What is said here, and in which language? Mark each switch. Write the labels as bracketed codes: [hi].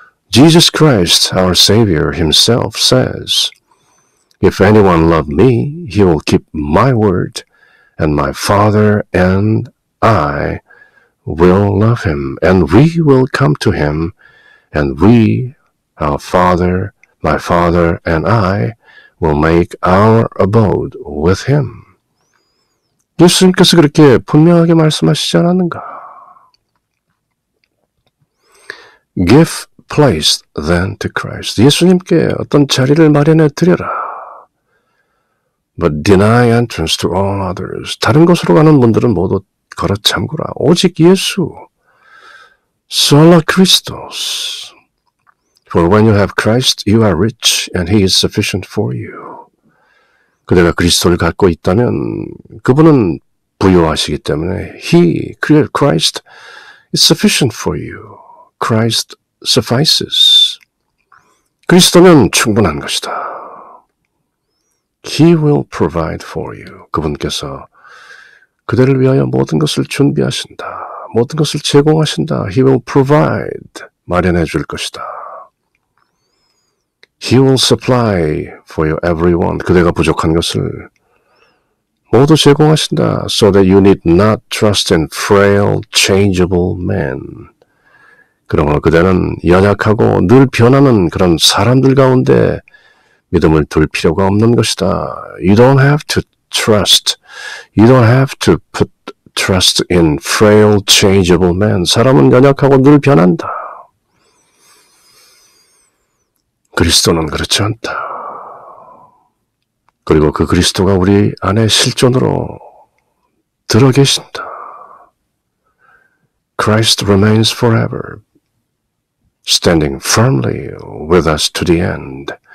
[en] Jesus Christ, our Savior himself, says, If anyone love me, he will keep my word, and my Father and I will love him, and we will come to him, and we, our Father, my Father and I, will make our abode with him. [ko] 예수님께서 그렇게 분명하게 말씀하시지 않았는가? [en] Give place then to Christ. [ko] 예수님께 어떤 자리를 마련해 드려라. [en] But deny entrance to all others. [ko] 다른 곳으로 가는 분들은 모두 걸어참구라. 오직 예수. Sola Christos. [en] For when you have Christ, you are rich, and he is sufficient for you. [ko] 그대가 그리스도를 갖고 있다면 그분은 부유하시기 때문에 [en] He, Christ, is sufficient for you. Christ suffices. [ko] 그리스도는 충분한 것이다. [en] He will provide for you. [ko] 그분께서 그대를 위하여 모든 것을 준비하신다. 모든 것을 제공하신다. [en] He will provide. [ko] 마련해 줄 것이다. [en] He will supply for you everyone. [ko] 그대가 부족한 것을 모두 제공하신다. [en] So that you need not trust in frail, changeable men. [ko] 그러므로 그대는 연약하고 늘 변하는 그런 사람들 가운데 믿음을 둘 필요가 없는 것이다. [en] You don't have to trust. You don't have to put trust in frail, changeable men. [ko] 사람은 연약하고 늘 변한다. 그리스도는 그렇지 않다. 그리고 그 그리스도가 우리 안에 실존으로 들어 계신다. [en] Christ remains forever, standing firmly with us to the end.